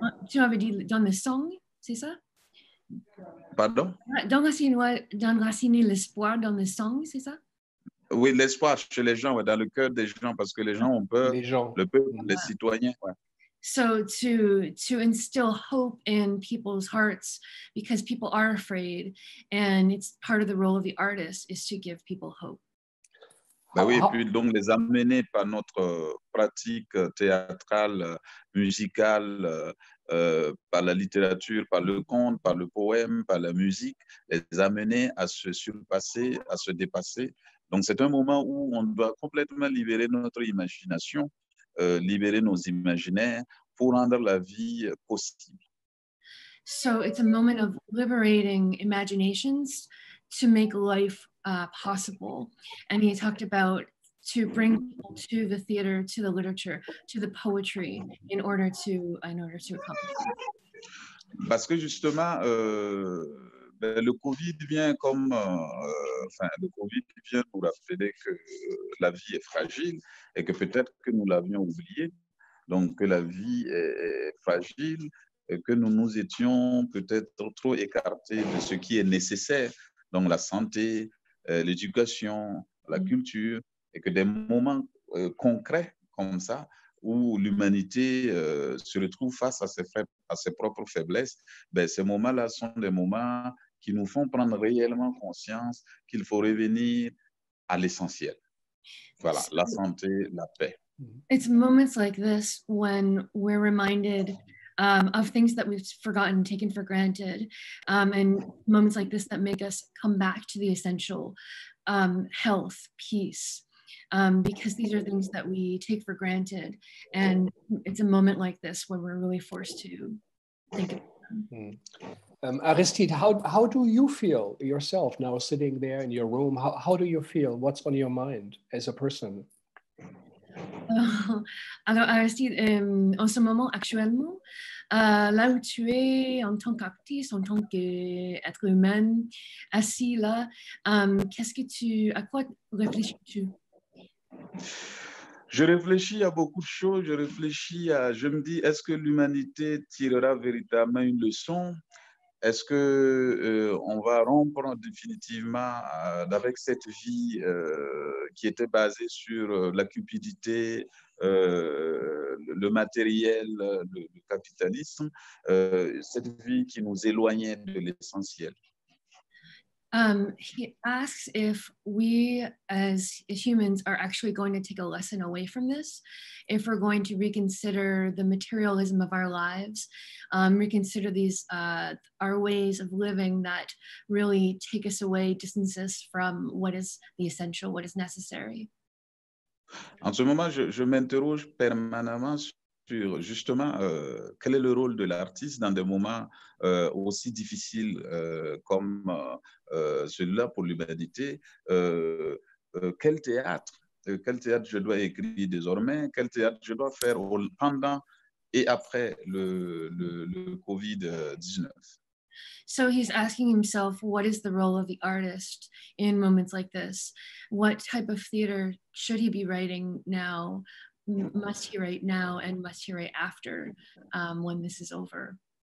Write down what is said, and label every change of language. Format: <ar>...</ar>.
<fr>Tu avais dit dans le song, c'est ça? Pardon? D'enraciner l'espoir dans le sang, c'est ça? Oui, l'espoir chez les gens, dans le cœur des gens, parce que les gens ont peur, les gens. Le peuple, voilà. Les citoyens. Ouais.</fr> <en>So to instill hope in people's hearts, because people are afraid, and it's part of the role of the artist is to give people hope.</en> <fr>Ben oui, et puis donc les amener par notre pratique théâtrale, musicale, par la littérature, par le conte, par le poème, par la musique, les amener à se surpasser, à se dépasser. Donc c'est un moment où on doit complètement libérer notre imagination, libérer nos imaginaires pour rendre la vie possible.</fr> <en>So it's a moment of liberating imaginations to make life possible. And he talked about to bring people to the theater, to the literature, to the poetry, in order to accomplish.</en> <fr>Parce que justement, le COVID vient comme, le COVID vient nous rappeler que la vie est fragile et que peut-être que nous l'avions oublié. Donc que la vie est fragile et que nous nous étions peut-être trop écartés de ce qui est nécessaire, donc la santé, l'éducation, la culture. Et que des moments concrets comme ça, où l'humanité se retrouve face à ses propres faiblesses, ben, ces moments-là sont des moments qui nous font prendre réellement conscience qu'il faut revenir à l'essentiel. Voilà, la santé, la paix.</fr> <en>It's moments like this when we're reminded of things that we've forgotten, taken for granted, and moments like this that make us come back to the essential, health, peace. Because these are things that we take for granted, and it's a moment like this where we're really forced to think about them. Mm. Aristide, how do you feel yourself now sitting there in your room? How do you feel? What's on your mind as a person?</en> <fr>Alors Aristide, en ce moment, actuellement, là où tu es en tant qu'artiste, en tant qu'être humain, assis là, à quoi réfléchis-tu? Je réfléchis à beaucoup de choses. Je me dis, est-ce que l'humanité tirera véritablement une leçon? Est-ce que on va rompre définitivement avec cette vie qui était basée sur la cupidité, le matériel, le capitalisme, cette vie qui nous éloignait de l'essentiel?</fr> <en>He asks if we as humans are actually going to take a lesson away from this, if we're going to reconsider the materialism of our lives, reconsider these our ways of living that really take us away, distance us from what is the essential, what is necessary.</en> <fr>En ce moment, je m'interroge permanemment sur justement quel est le rôle de l'artiste dans des moments aussi difficiles comme celui-là pour l'humanité. Quel théâtre je dois écrire désormais, quel théâtre je dois faire pendant et après le COVID-19.</fr> <en>So he's asking himself, what is the role of the artist in moments like this? What type of theater should he be writing now? Must he write now and must he write after when this is over?</en>